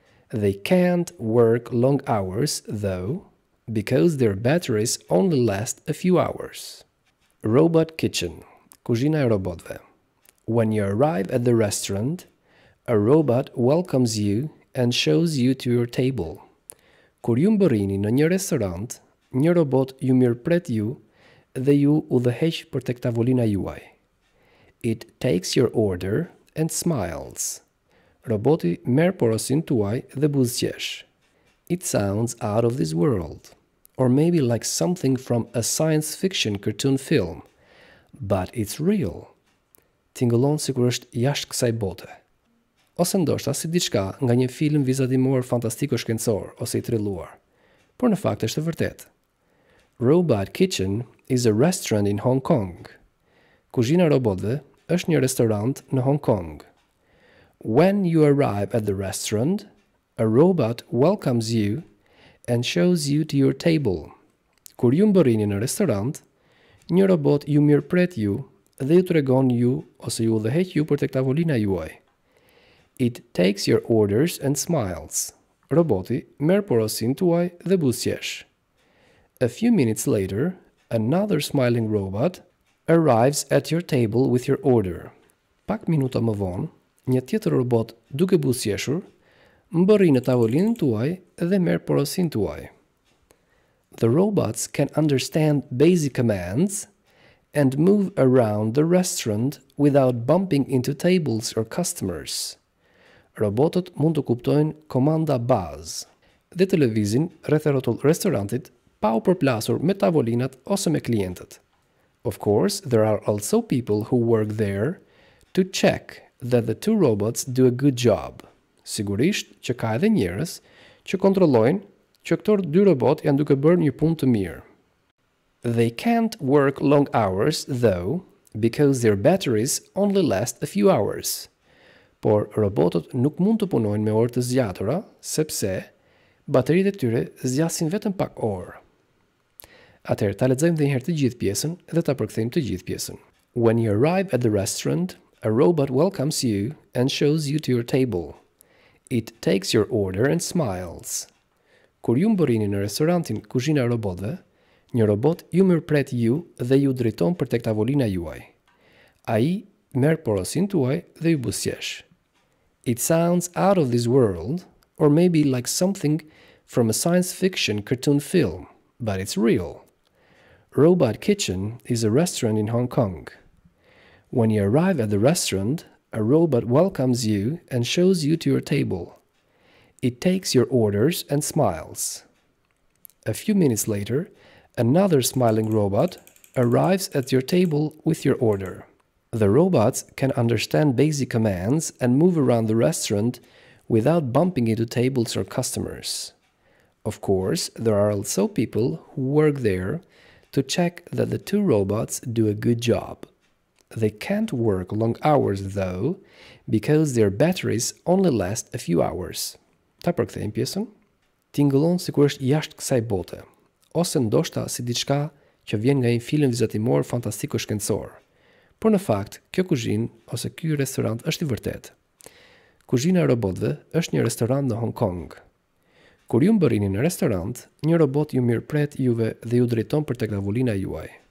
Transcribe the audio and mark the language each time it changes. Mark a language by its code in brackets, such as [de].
[en] They can't work long hours, though, because their batteries only last a few hours. Robot Kitchen, [sq] kuzhina e robotve. [en] When you arrive at the restaurant, a robot welcomes you and shows you to your table. [sq] Kur ju mbërrini në një restorant, një robot ju mirëpret ju dhe ju udhëheq për tek tavolina juaj. [en] It takes your order and smiles. [sq] Roboti merr porosin tuaj dhe buzëqesh. [en] It sounds out of this world, or maybe like something from a science fiction cartoon film, but it's real. [sq] Tingëllon sikur është jashtë kësaj bote. Ose ndoshta si diçka nga një film vizatimor fantastiko-shkencor ose i trilluar. Por në fakt është e vërtet. [en] Robot Kitchen is a restaurant in Hong Kong. [sq] Kuzhina robotëve është një restorant në Hong Kong. [en] When you arrive at the restaurant, a robot welcomes you and shows you to your table. [sq] Kur ju mbërrini në restorant, një robot ju mirëpret ju dhe ju tregon ju ose ju udhëheq ju për tek tavolina juaj. [en] It takes your orders and smiles. [sq] Roboti merr porosin tuaj dhe buzëqesh. [en] A few minutes later, another smiling robot arrives at your table with your order. [sq] Pak minuta më vonë, një tjetër robot duke buzëqeshur mbërrin në tavolinën tuaj dhe merr porosin tuaj. [en] The robots can understand basic commands and move around the restaurant without bumping into tables or customers. [sq] Robotët mund të kuptojnë komanda bazë dhe të lëvizin rreth rrotull restorantit pa u përplasur me tavolinat ose me klientët. [en] Of course, there are also people who work there to check that the two robots do a good job. [sq] Sigurisht që ka edhe njerëz që kontrollojnë që këto dy robot janë duke bërë një punë të mirë. [en] They can't work long hours though because their batteries only last a few hours. [sq] Por robotët nuk mund të punojnë me orë të zgjatura, sepse bateritë e tyre zgjasin vetëm pak orë. Atëherë ta lexojmë edhe një herë të gjithë pjesën dhe ta përkthejmë të gjithë pjesën. [en] When you arrive at the restaurant, a robot welcomes you and shows you to your table. It takes your order and smiles. [sq] Kur ju mbërrini në restorantin kuzhina e robotëve, një robot ju mirëpret ju dhe ju drejton për tek tavolina juaj. Ai merr porosin tuaj dhe ju buzëqesh. [en] It sounds out of this world, or maybe like something from a science fiction cartoon film, but it's real. Robot Kitchen is a restaurant in Hong Kong. When you arrive at the restaurant, a robot welcomes you and shows you to your table. It takes your orders and smiles. A few minutes later, another smiling robot arrives at your table with your order. The robots can understand basic commands and move around the restaurant without bumping into tables or customers. Of course, there are also people who work there to check that the two robots do a good job. They can't work long hours, though, because their batteries only last a few hours. [sq] Ta përkthejmë pjesën. Tingëllon sikur është jashtë kësaj bote, ose ndoshta si diçka që vjen nga një film vizatimor fantastiko-shkencor. Por në fakt, kjo kuzhinë ose ky restorant është i vërtetë. Kuzhina e robotëve është një restorant në Hong Kong. Kur ju mbërrini në restorant, një robot ju mirëpret juve dhe ju drejton për tek tavolina juaj.